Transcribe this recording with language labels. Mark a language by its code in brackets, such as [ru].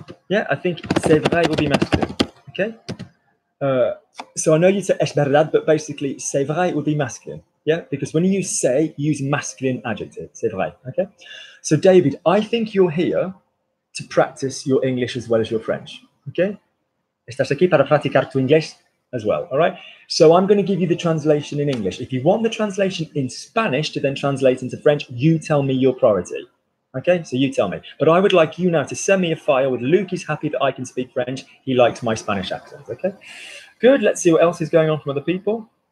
[en] Yeah, I think [fr] c'est vrai [en] will be masculine. Okay. So I know you say [es] es verdad, [en] but basically c'est vrai will be masculine. Yeah, because when you say, you use masculine adjective. [fr] C'est vrai. [en] Okay. So David, I think you're here to practice your English as well as your French. Okay. [es] Estás aquí para practicar tu inglés [en] as well. All right. So I'm going to give you the translation in English. If you want the translation in Spanish to then translate into French, you tell me your priority. Okay, so you tell me. But I would like you now to send me a file with Luke is happy that I can speak French. He likes my Spanish accent. Okay, good. Let's see what else is going on from other people.